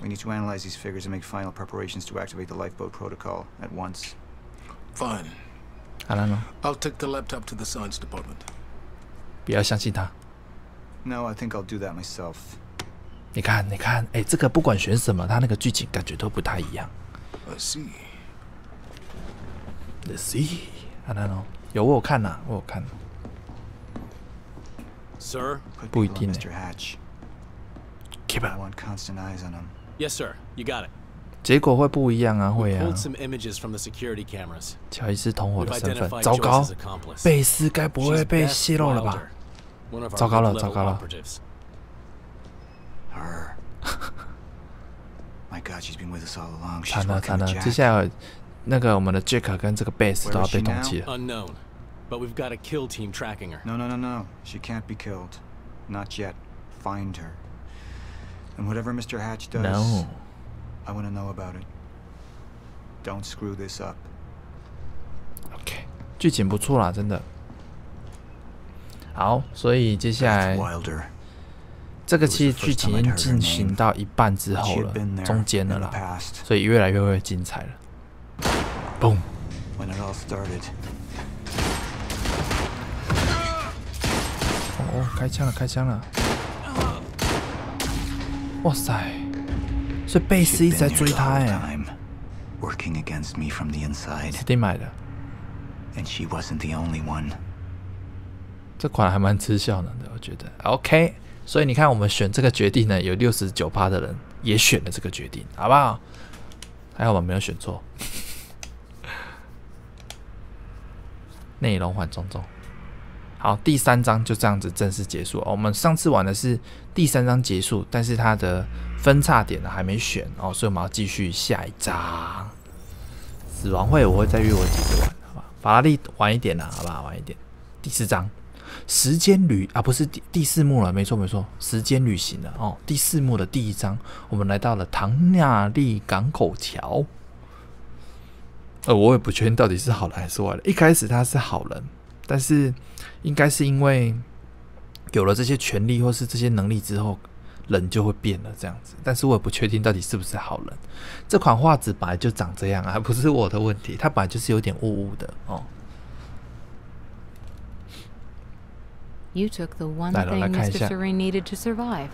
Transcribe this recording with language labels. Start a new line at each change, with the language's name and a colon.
English: We need to analyze these figures and make final preparations to activate the lifeboat protocol at once. Fine.
Chinese: 好了呢。
English: I'll take the laptop to the science department.
Chinese: 不要相信他。
English: No, I think I'll do that myself.
Chinese: 你看，你看，哎，这个不管选什么，它那个剧情感觉都不太一样。
English: I see. Let's see.
Chinese: 啊，那喏，有我有看呐、啊，我有看。
English: Sir,
Chinese: 不一定呢。
English: Keep up. I want constant eyes on him. Yes, sir. You got it.
Chinese: 结果会不一样啊，会啊。
English: Pulled some images from the security cameras.
Chinese: 乔伊斯同伙的身份，糟糕，贝斯该不会被泄露了吧？糟糕了，糟糕了。
English: Her. My God, she's been with us all along.
Chinese: 惨了，惨了。接下来，那个我们的 Jack 跟这个贝斯都要被通缉了。
English: Unknown. But we've got a kill team tracking her. No, no, no, no. She can't be killed. Not yet. Find her. And whatever Mr. Hatch does, no. I want to know about it. Don't screw this up.
Chinese: Okay, 剧情不错啦，真的。好，所以接下来这个其实剧情进行到一半之后了，中间了啦，所以越来越会精彩了。
English: Boom. When it all started.
Chinese: 哦，开枪了，开枪了。哇塞！所以贝斯一直在追他哎、欸。
English: Working against me from the inside。
Chinese: 是定买的。
English: And she wasn't the only one。
Chinese: 这款还蛮吃效能的，我觉得。OK， 所以你看，我们选这个决定呢，有 69% 的人也选了这个决定，好不好？还好吧，没有选错。内容缓中中。好，第三章就这样子正式结束、哦、我们上次玩的是第三章结束，但是它的分岔点呢还没选、哦、所以我们要继续下一章。死亡会我会再约我几次玩，好吧？法拉利晚一点啦，好吧，晚一点。第四章，时间旅啊，不是 第四幕了，没错没错，时间旅行了、哦、第四幕的第一章，我们来到了唐纳利港口桥。我也不确定到底是好人还是坏人。一开始他是好人。但是应该是因为有了这些权力或是这些能力之后，人就会变了这样子。但是我也不确定到底是不是好人。这款画质本来就长这样啊，不是我的问题，它本来就是有点雾雾的哦。
English: You took the one thing Mr. Serene needed to survive.